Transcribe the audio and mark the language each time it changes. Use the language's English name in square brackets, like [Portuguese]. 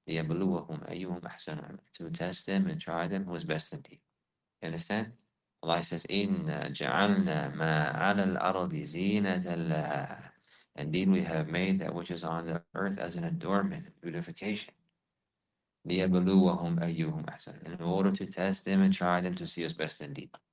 [English] To test them and try them who is best indeed. You understand? Allah says, [Arabic] إِنَّا جَعَلْنَا مَا عَلَى الْأَرْضِ زِينَةً لَهَا. [English] Indeed, we have made that which is on the earth as an adornment, beautification. [Arabic] لِيَبْلُوَهُمْ أَيُّهُمْ أَحْسَنُ. [English] In order to test them and try them to see us best indeed.